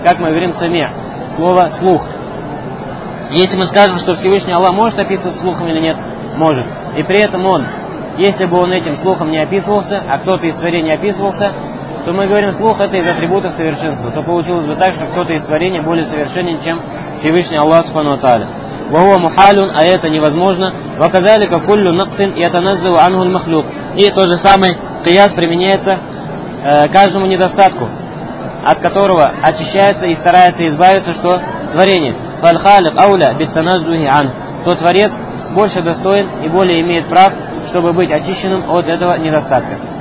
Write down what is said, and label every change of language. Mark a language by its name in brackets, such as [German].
[Russian] Как мы говорим сами, слово слух. Если мы скажем, что Всевышний Аллах может описываться слухом или нет, может. И при этом он, если бы он этим слухом не описывался, а кто-то из творений описывался, то мы говорим, слух это из атрибутов совершенства, то получилось бы так, что кто-то из творений более совершенен, чем Всевышний Аллах субхану ва тааля. [Arabic] وهو محال, [Russian] а это невозможно. [Arabic] وكذلك كل نقص يتنزه عنه المخلوق. [Russian] И то же самое кияс применяется каждому недостатку, от которого очищается и старается избавиться что творение. [Arabic] فالخالق اولى بالتنزه عنه. [Russian] То творец больше достоин и более имеет прав, чтобы быть очищенным от этого недостатка.